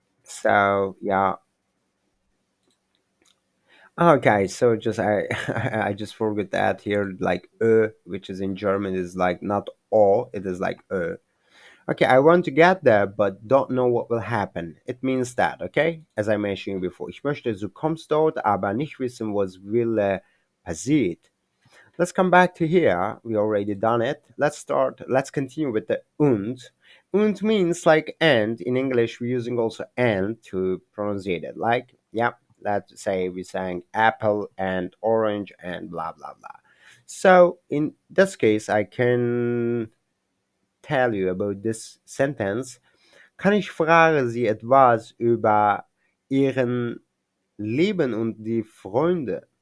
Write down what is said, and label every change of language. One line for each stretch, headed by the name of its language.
English: So, yeah. Okay, so just I just forgot that here, like, which is in German is like not all, it is like, Okay, I want to get there, but don't know what will happen. It means that, okay? As I mentioned before,
German: ich möchte zu kommst dort, aber nicht wissen was will passiert.
English: Let's come back to here. We already done it. Let's start. Let's continue with the und. Und means like and. In English, we're using also and to pronounce it. Like, yeah, let's say we're saying apple and orange and blah, blah, blah. So in this case, I can tell you about this sentence.
German: Kann ich fragen Sie etwas über Ihren Leben und die Freunde?